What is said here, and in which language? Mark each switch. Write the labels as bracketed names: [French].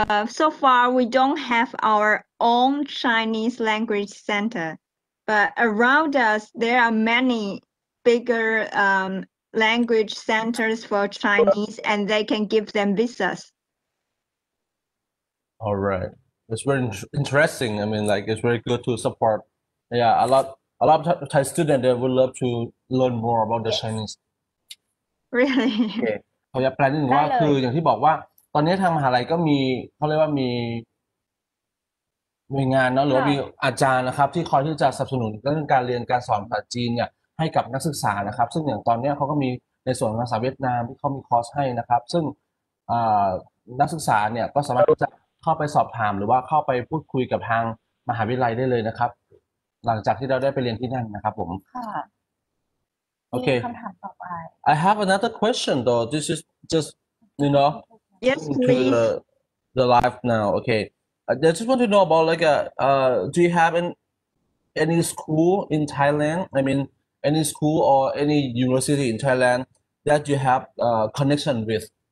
[English] So far, we don't have our own Chinese language center, but around us, there are many bigger language centers for Chinese and they can give them visas. All right. It's very interesting. I mean, like, it's very good to support. Yeah, a lot of Thai students they would love to learn more about the Chinese. Really? [Thai] เขาจะแปลนิดนึงว่าคืออย่างที่บอกว่าตอนนี้ทางมหาลัยก็มีเขาเรียกว่ามีหน่วยงานเนาะหรือมีอาจารย์นะครับที่คอยที่จะสนับสนุนเรื่องการเรียนการสอนภาษาจีนเนี่ยให้กับนักศึกษานะครับซึ่งอย่างตอนนี้เขาก็มีในส่วนภาษาเวียดนามที่เขามีคอร์สให้นะครับซึ่งนักศึกษาเนี่ยก็สามารถที่จะเข้าไปสอบถามหรือว่าเข้าไปพูดคุยกับทางมหาวิทยาลัยได้เลยนะครับหลังจากที่เราได้ไปเรียนที่นั่นนะครับผม ค่ะ โอเ คคำถามต่อไป [English] I have another question though this is just you know yes to the live now okay I just want to know about like do you have any school in Thailand I mean any school or any university in Thailand that you have connection with